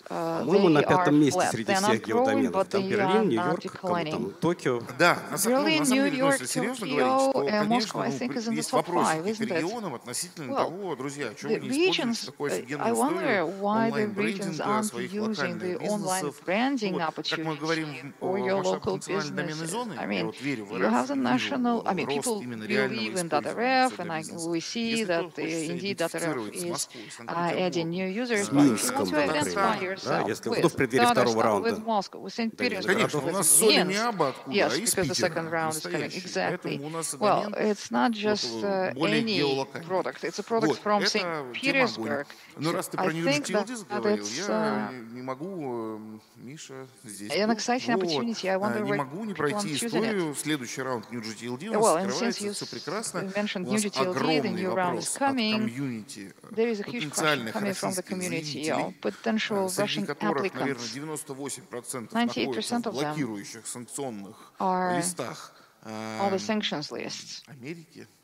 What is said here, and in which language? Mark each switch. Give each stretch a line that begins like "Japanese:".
Russian: По-моему, на пятом месте среди всех геодоменов. Там Берлин, Нью-Йорк, там, Токио. Да, на самом деле, если серьезно говорить, то, конечно, есть вопросы к регионам относительно того, друзья, о чем вы не используете такой офигенной историей онлайн-брендинга своих локальных бизнесов. Как мы говорим,
English: your local business. I mean, you have the national, I mean, people believe in .RF, and we see that indeed .RF is adding new users, but you want to identify yourself with Moscow, with St. Petersburg, yes, because the second round is coming, exactly. Well, it's not just any product, it's a product from St. Petersburg.
Russian: Ну, раз ты про UGTLD заговорил, я не могу, Миша, здесь and, кстати, вот, не могу не пройти историю. Следующий раунд UGTLD у нас открывается, все прекрасно. У нас огромный вопрос от комьюнити, потенциальных российских заявителей, среди которых, наверное, 98% находятся в блокирующих санкционных листах Америки.